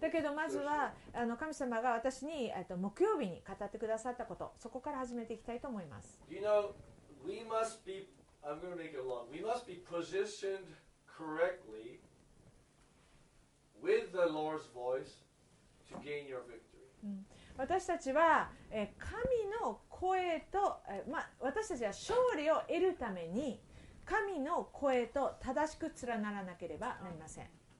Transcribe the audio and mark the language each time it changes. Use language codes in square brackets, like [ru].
[ja] だけどまずは神様が私に木曜日に語ってくださったこと、そこから始めていきたいと思います。 [en] You know, we must be. I'm going to make it long. We must be positioned correctly with the Lord's voice to gain your victory. [ja] 私たちは神の声と、私たちは勝利を得るために神の声と正しく連ならなければなりません。